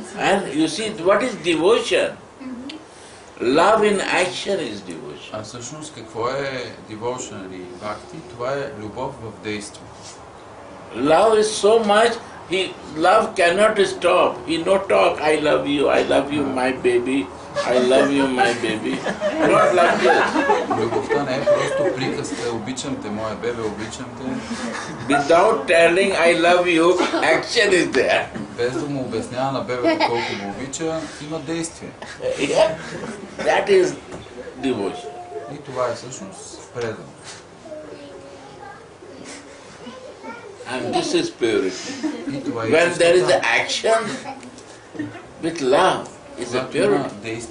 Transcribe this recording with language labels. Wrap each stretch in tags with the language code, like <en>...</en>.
<en>And you see, what is devotion? Love in action is devotion.</en> <bg>А всъщност какво е devotion или bhakti? Това е любов в действие.</bg> <en>Love is so much, he love cannot stop. He no talk, I love you my baby, I love you my baby. Not like this.</en> <bg>Любовта не е просто приказка, обичам те, моя бебе, обичам те.</bg> <en>Without telling I love you, action is there.</en> <bg>Без да му обяснява на бебето колко го обича, има действие.</bg> <en>Yeah. That is devotion.</en> <bg>И това е всъщност преданост.</bg> <en>And this is purity. When there is action with love, it's a purity.</en>